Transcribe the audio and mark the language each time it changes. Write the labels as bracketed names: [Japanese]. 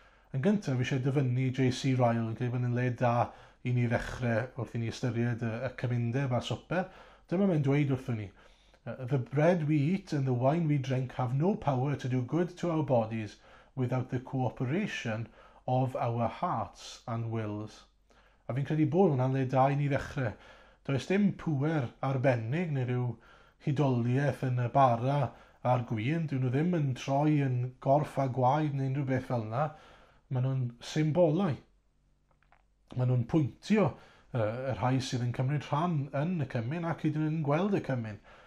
[Welsh] Yn gyntaf, fi eisiau dyfynnu J.C. Ryle yn gwneud bod yn le da i ni ddechrau wrth i ni ystyried y cymundeb a'r swper. Dyma mae'n dweud wrthyn ni. [English] The bread we eat and the wine we drink have no power to do good to our bodies without the cooperation of our hearts and wills. [Welsh] A fi'n credu bod hwnna'n le da i ni ddechrau. Does dim pŵer arbennig neu ryw hudoliaeth yn y bara a'r gwyn. Dyn nhw ddim yn troi yn gorff a gwaed neu unrhyw beth fel yna. Maen nhw'n symbolau. Maen nhw'n pwyntio y rhai sydd yn cymryd rhan yn y cymun ac ydyn nhw'n gweld y cymun.